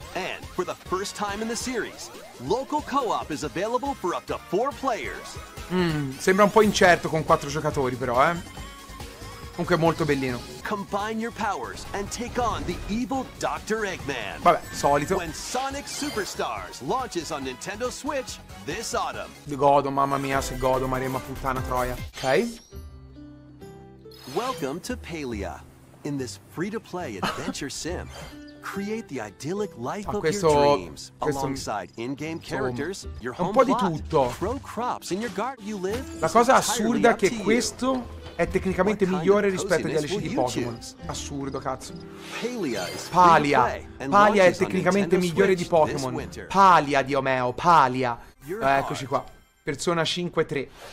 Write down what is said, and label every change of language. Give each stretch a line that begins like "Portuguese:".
English: And for the first time in the series, local co-op is available for up to 4 players.
Italian: Sembra un po' incerto con 4 giocatori però, eh. Comunque è molto bellino.
English: Combine your powers and take on the evil Dr. Eggman.
Italian: Vabbè, solito.
English: When Sonic Superstars launches on Nintendo Switch this autumn.
Italian: Godo, mamma mia, se godo, maremma puttana troia. Ok.
English: Welcome to Palia. In this free-to-play adventure sim, create the idyllic life of your dreams alongside in-game characters, your home plot, grow crops in your garden. You live.
Italian: La cosa assurda è che questo è tecnicamente migliore rispetto agli DLC di Pokémon. Assurdo, cazzo. Palia. Palia è tecnicamente migliore di Pokémon. Palia, Dio mio, Palia. Eccoci qua. Persona 5-3.